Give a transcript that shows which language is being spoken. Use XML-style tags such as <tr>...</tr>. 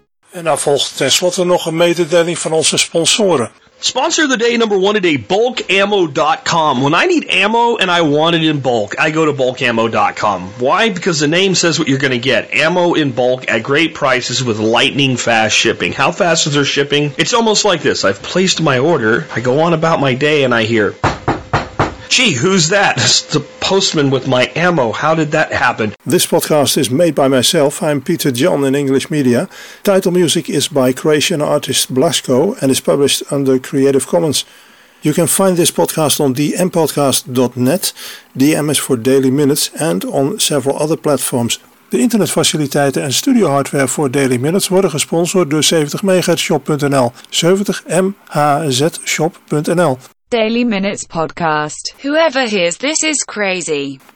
<nl>En dan volgt tenslotte nog een mededeling van onze sponsoren.</nl> <en>Sponsor of the day number one today, bulkammo.com. When I need ammo and I want it in bulk, I go to bulkammo.com. Why? Because the name says what you're going to get. Ammo in bulk at great prices with lightning fast shipping. How fast is their shipping? It's almost like this. I've placed my order. I go on about my day and I hear, gee, who's that? It's the postman with my ammo. How did that happen? This podcast is made by myself. I'm Peter John in English Media. Title music is by Croatian artist Blasko and is published under Creative Commons. You can find this podcast on dmpodcast.net, DM is for Daily Minutes, and on several other platforms.</en> <nl>De internetfaciliteiten en studio hardware voor Daily Minutes worden gesponsord door 70MHzShop.nl, 70MHzShop.nl.</nl> <en>Daily Minutes Podcast. Whoever hears this is crazy.</en>